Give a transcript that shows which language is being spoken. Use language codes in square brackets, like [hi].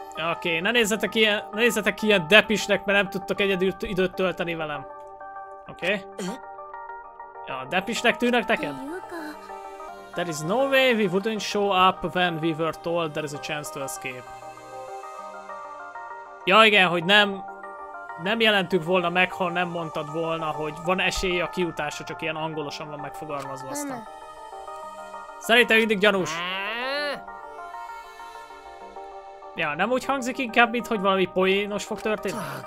[hu] Oké, okay, ne nézzetek ilyen depisnek, mert nem tudtok egyedül időt tölteni velem. Oké? Okay. Ja, depisnek tűnök neked? [en] There is no way we wouldn't show up when we were told there is a chance to escape. [hu] Ja igen, hogy nem jelentük volna meg, ha nem mondtad volna, hogy van esélye a kiutásra, csak ilyen angolosan van megfogalmazva aztán. Szerintem mindig gyanús. Ja, nem úgy hangzik inkább, mint hogy valami poénos fog történni?